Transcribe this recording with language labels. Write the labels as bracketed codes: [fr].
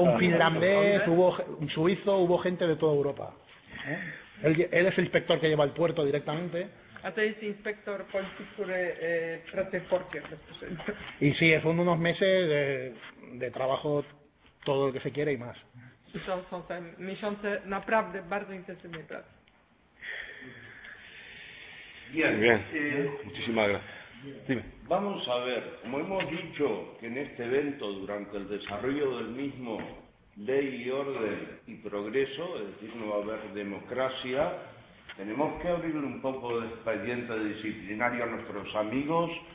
[es] un finlandés, hubo un suizo, hubo gente de toda Europa. Él es el inspector que lleva el puerto directamente. [pl] A to jest inspektor policji, który pracuje w porcie. [es] I si, sí, son unos meses de trabajo todo lo que se quiere y más. [pl] I są te miesiące naprawdę bardzo intensywnej pracy. [es] Bien, muchísimas gracias. Dime. Vamos a ver, como hemos dicho que en este evento, durante el desarrollo del mismo, ley y orden y progreso, es decir, no va a haber democracia, tenemos que abrir un poco de expediente disciplinario a nuestros amigos